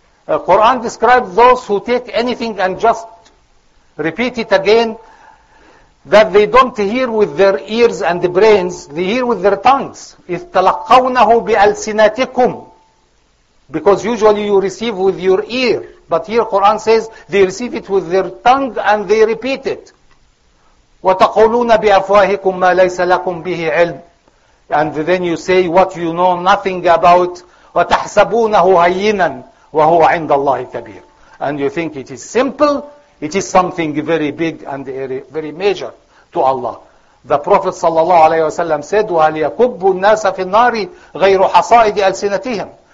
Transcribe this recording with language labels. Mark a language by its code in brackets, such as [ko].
[en] Quran describes those who take anything and just repeat it again, that they don't hear with their ears and the brains, they hear with their tongues. [ar] اتلقونه بألسنتكم. [en] Because usually you receive with your ear, but here Quran says they receive it with their tongue and they repeat it. [ar] وتقولون بأفواهكم ما ليس لكم به علم. [en] And then you say what you know nothing about. [ar] وَتَحْسَبُونَهُ هَيِّنًا وَهُوَ عِنْدَ اللَّهِ كَبِيرٌ. [en] And you think it is simple, It is something very big and very major to Allah. The Prophet sallallahu alayhi wa sallam said, [ar] وَهَلْيَكُبُّ النَّاسَ فِي النَّارِ غَيْرُ حَصَائِدِ أَلْسِنَتِهِمْ.